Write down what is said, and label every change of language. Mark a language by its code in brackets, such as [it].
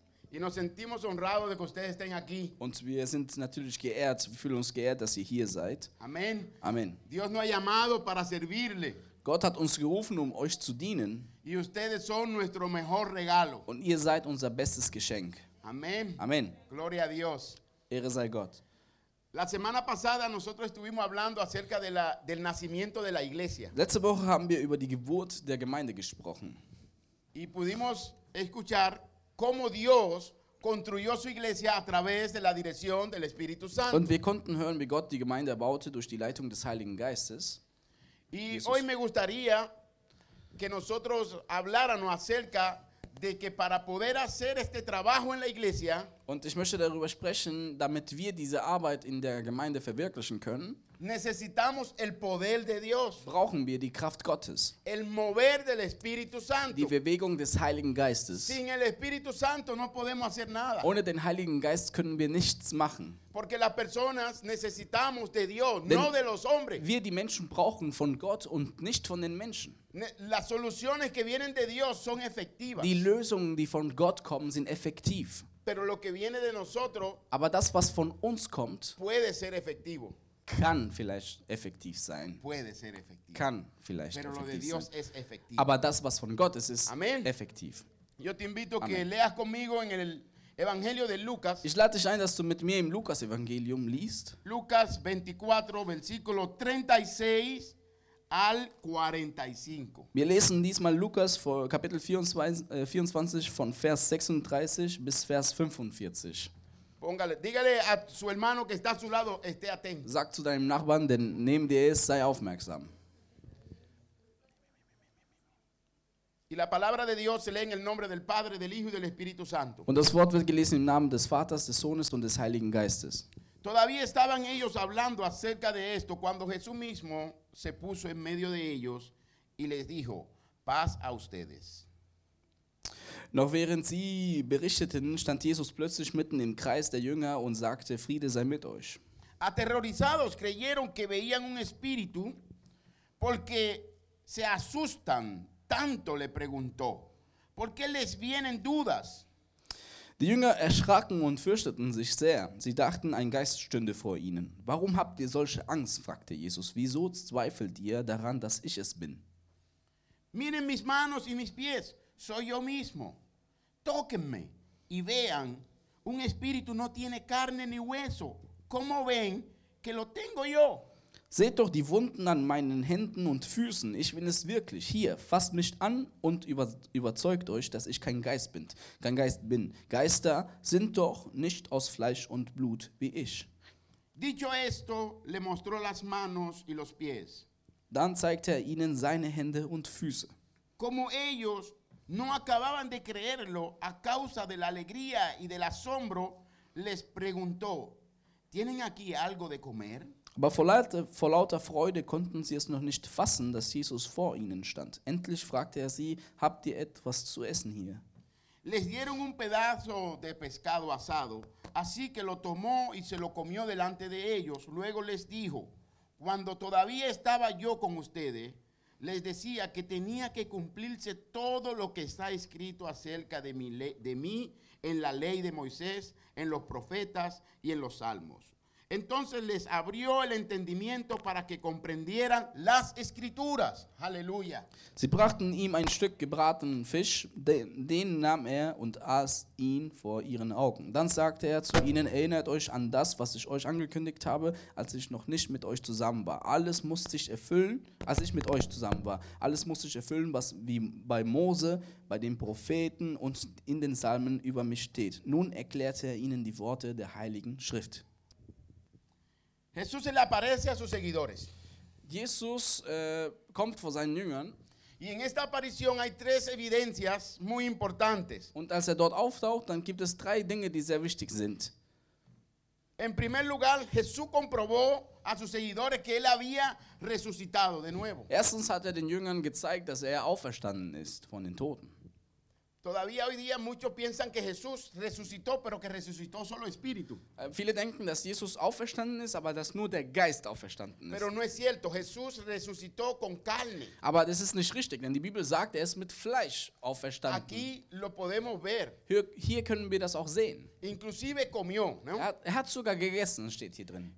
[es] Y nos sentimos honrados de que ustedes estén aquí. [de] Und wir sind natürlich geehrt, wir fühlen uns geehrt, dass ihr hier seid. [es] Amen. [de] Amen. [es] Dios nos ha llamado para servirle. [de] Gott hat uns gerufen, um euch zu dienen. [es] Y ustedes son nuestro mejor regalo. [de] Und ihr seid unser bestes Geschenk. [es] Amen. [de] Amen. [es] Gloria a Dios. [de] Ehre sei Gott. [es] La semana pasada nosotros estuvimos hablando acerca de la, del nacimiento de la iglesia. [de] Letzte Woche haben wir über die Geburt der Gemeinde gesprochen. [es] Y pudimos escuchar cómo Dios construyó su iglesia a través de la dirección del Espíritu Santo. [de] Und wir konnten hören, wie Gott die Gemeinde baute durch die Leitung des Heiligen Geistes. [es] Y hoy me gustaría que nosotros habláramos acerca de que para poder hacer este trabajo en la iglesia. [de] Und ich möchte darüber sprechen, damit wir diese Arbeit in der Gemeinde verwirklichen können. [es] Necesitamos el poder de Dios. [de] Brauchen wir die Kraft Gottes. [es] El mover del Espíritu Santo. [de] Die Bewegung des Heiligen Geistes. [es] Sin el Espíritu Santo no podemos hacer nada. [de] Ohne den Heiligen Geist können wir nichts machen. [es] Porque las personas necesitamos de Dios, no de los hombres. [de] Wir die Menschen brauchen von Gott und nicht von den Menschen. [es] Las soluciones que vienen de Dios son efectivas. [de] Die Lösungen, die von Gott kommen, sind effektiv. [es] Pero lo que viene de nosotros, [de] aber das, was von uns kommt, [es] puede ser efectivo. [de] Kann vielleicht effektiv sein. [es] Puede ser efectivo. [de] Kann vielleicht [es] Pero [de] effektiv [es] lo de Dios [de] sein. [es] Es efectivo. [de] Aber das, was von Gott ist, ist Amen. Effektiv. [es] Yo te invito que leas conmigo en el Evangelio de Lucas. [de] Ich lade dich ein, dass du mit mir im Lukas-Evangelium liest. [es] Lukas 24, versículo 36. Al 45. [de] Wir lesen diesmal Lukas vor Kapitel 24 von Vers 36 bis Vers 45. [es] Póngale, dígale a su hermano que está a su lado, esté atento. [de] Sag zu deinem Nachbarn, denn neben dir ist, sei aufmerksam. [es] Y la palabra de Dios se lee en el nombre del Padre, del Hijo y del Espíritu Santo. [de] Und das Wort wird gelesen im Namen des Vaters, des Sohnes und des Heiligen Geistes. [es] Todavía estaban ellos hablando acerca de esto cuando Jesús mismo se puso en medio de ellos y les dijo, paz a ustedes. [de] Noch während sie berichteten, stand Jesus plötzlich mitten im Kreis der Jünger und sagte, Friede sei mit euch. [es] Aterrorizados creyeron que veían un espíritu porque se asustan, tanto le preguntó, ¿por qué les vienen dudas? [de] Die Jünger erschraken und fürchteten sich sehr. Sie dachten, ein Geist stünde vor ihnen. Warum habt ihr solche Angst? Fragte Jesus. Wieso zweifelt ihr daran, dass ich es bin? [es] Miren mis manos y mis pies. Soy yo mismo. Tóquenme y vean. Un espíritu no tiene carne ni hueso. ¿Cómo ven que lo tengo yo? [de] Seht doch die Wunden an meinen Händen und Füßen. Ich bin es wirklich. Hier, fasst mich an und überzeugt euch, dass ich kein Geist bin. Geister sind doch nicht aus Fleisch und Blut wie ich. [es] Dicho esto, le mostró las manos y los pies. [de] Dann zeigte er ihnen seine Hände und Füße. [es] Como ellos no acababan de creerlo a causa de la alegría y del asombro, les preguntó, ¿tienen aquí algo de comer? [de] Aber vor lauter Freude konnten sie es noch nicht fassen, dass Jesus vor ihnen stand. Endlich fragte er sie, habt ihr etwas zu essen hier? [es] Les dieron un pedazo de pescado asado, así que lo tomó y se lo comió delante de ellos. Luego les dijo, cuando todavía estaba yo con ustedes, les decía que tenía que cumplirse todo lo que está escrito acerca de mí en la ley de Moisés, en los profetas y en los salmos. Entonces les abrió el entendimiento para que comprendieran las Escrituras. [de] Halleluja. Sie brachten ihm ein Stück gebratenen Fisch, den nahm er und aß ihn vor ihren Augen. Dann sagte er zu ihnen, erinnert euch an das, was ich euch angekündigt habe, als ich noch nicht mit euch zusammen war. Alles muss sich erfüllen, als ich mit euch zusammen war. Alles muss sich erfüllen, was wie bei Mose, bei den Propheten und in den Psalmen über mich steht. Nun erklärte er ihnen die Worte der Heiligen Schrift. [es] Jesús se le aparece a sus seguidores. [de] Jesus kommt vor seinen Jüngern. [es] Y en esta aparición hay tres evidencias muy importantes. [de] Und als dort auftaucht, dann gibt es drei Dinge, die sehr wichtig sind. [es] En primer lugar, Jesús comprobó a sus seguidores que él había resucitado de nuevo. [de] Erstens hat den Jüngern gezeigt, dass auferstanden ist von den Toten. [es] Todavía hoy día muchos piensan que Jesús resucitó, pero que resucitó solo espíritu. [de] Viele denken, dass Jesus auferstanden ist, aber dass nur der Geist auferstanden ist. [es] Pero no es cierto, Jesús resucitó con carne. [de] Aber das ist nicht richtig, denn die Bibel sagt, er ist mit Fleisch auferstanden. [es] Aquí lo podemos ver. [de] Hier können wir das auch sehen. [es] Inclusive comió, ¿no? [de] Er hat sogar gegessen, steht hier drin.